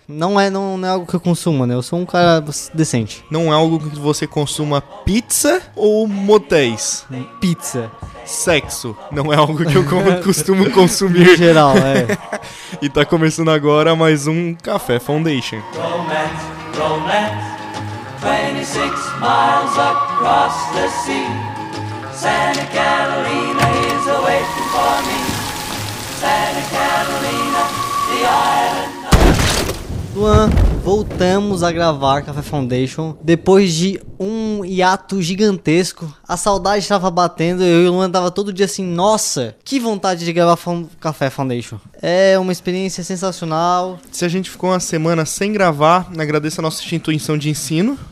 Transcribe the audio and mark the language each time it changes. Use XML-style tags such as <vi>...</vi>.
<pt>Não é algo que eu consumo, né? Eu sou um cara decente. Não é algo que você consuma pizza ou motéis? Pizza. Sexo. Não é algo que eu costumo consumir. Em geral, é. E tá começando agora mais um Café Foundation. Romance, romance.</pt> <en>26 miles across the sea, Santa Catalina is awaiting for me, Santa Catalina, the island of...</en> <pt>Luan, voltamos a gravar Café Foundation, depois de um hiato gigantesco, a saudade estava batendo, eu e o Luan tava todo dia assim, nossa, que vontade de gravar Café Foundation. É uma experiência sensacional. Se a gente ficou uma semana sem gravar, agradeço a nossa instituição de ensino.</pt>